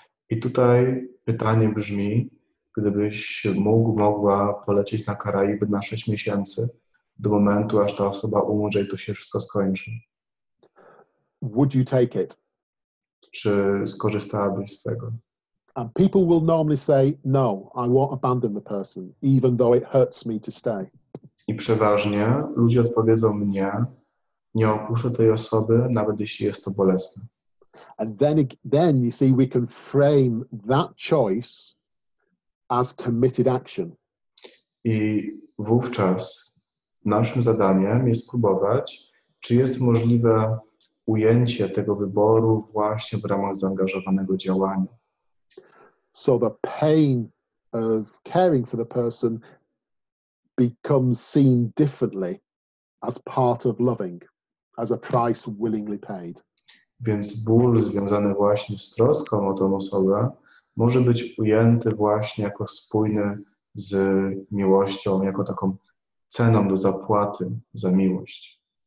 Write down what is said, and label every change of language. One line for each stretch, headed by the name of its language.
Polish: I tutaj pytanie brzmi, gdybyś mógł, mogła polecieć na Karaiby na 6 miesięcy do momentu, aż ta osoba umrze i to się wszystko skończy.
English: Would you take it?
Polish: Czy skorzystałabyś z tego?
English: And people will normally say, no, I won't abandon the person, even though it hurts me to stay.
Polish: I przeważnie ludzie odpowiedzą mnie, nie opuszczę tej osoby, nawet jeśli jest to bolesne.
English: And then you see, we can frame that choice as committed action.
Polish: I wówczas naszym zadaniem jest próbować, czy jest możliwe ujęcie tego wyboru właśnie w ramach zaangażowanego działania.
English: So the pain of caring for the person becomes seen differently as part of loving, as a price willingly paid.
Polish: Więc ból związany właśnie z troską o tą osobę może być ujęty właśnie jako spójny z miłością, jako taką ceną do zapłaty za miłość.